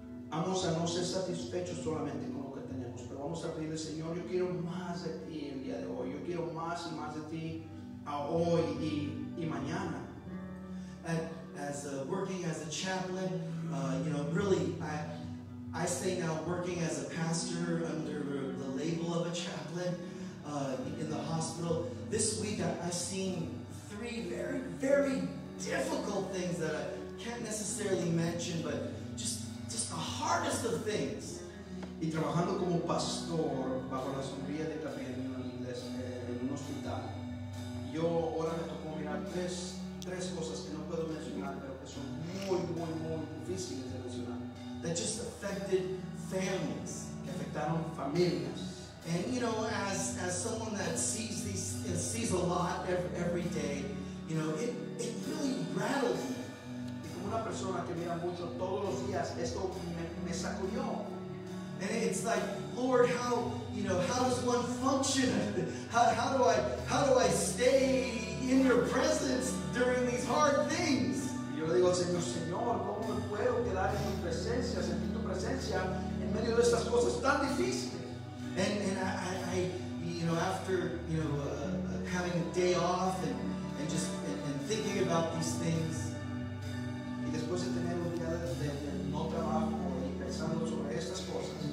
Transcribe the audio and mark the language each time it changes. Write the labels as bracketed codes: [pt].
[es] Vamos a no ser satisfechos solamente con lo que tenemos, pero vamos a pedirle, Señor, yo quiero más de ti el día de hoy. Yo quiero más y más de ti hoy y mañana. [en] Working as a chaplain, you know, really, I say now, working as a pastor under the label of a chaplain in the hospital, this week I've seen three very, very difficult things that I can't necessarily mention, but just the hardest of things. [es] Y trabajando como pastor bajo la sombría de también en un hospital, yo ahora me tocó mirar tres cosas que no puedo mencionar, pero que son muy, muy, muy difíciles de mencionar. [en] That just affected families. [es] Que afectaron familias. [en] And you know, as someone that sees these, sees a lot every day, you know, it really rattled me. [es] Y como una persona que mira mucho todos los días, esto me sacudió. [en] And it's like, Lord, how does one function? How do I stay in your presence during these hard things? [es] Y yo le digo al Señor, ¿cómo me puedo quedar en tu presencia, sentir tu presencia en medio de estas cosas tan difíciles? [en] And I you know, after, you know, having a day off and just thinking about these things, [es] y después de tener un día de no trabajo y pensando sobre estas cosas,